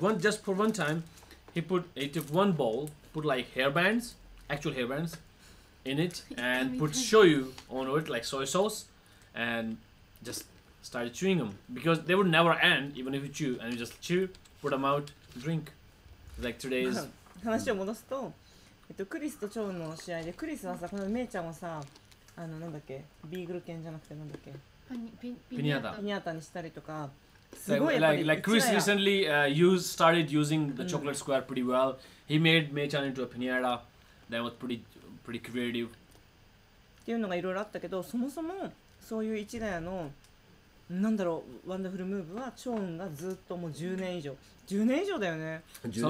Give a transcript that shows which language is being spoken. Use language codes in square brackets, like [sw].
[en] One just for one time, he took one bowl, put like hair bands, actual hair bands. In it and put shoyu on it like soy sauce and just started chewing them because they would never end even if you chew and you just chew put them out drink like two days. [ja] 話を戻すと、クリスとチョウの試合でクリスはさ、このメイちゃんをさ、あのなんだっけ、ビーグル犬じゃなくてなんだっけ、ピニャータ、ピニャータにしたりとか。 [en] Like Chris recently started using the chocolate square pretty well. He made メイちゃん into a pinata. That was pretty creative. [ja] っていうのがいろいろあったけど、そもそもそういう一ヶ谷のなんだろう、ワンダフルムーブはチョウンがずっともう10年以上、10年以上だよね。10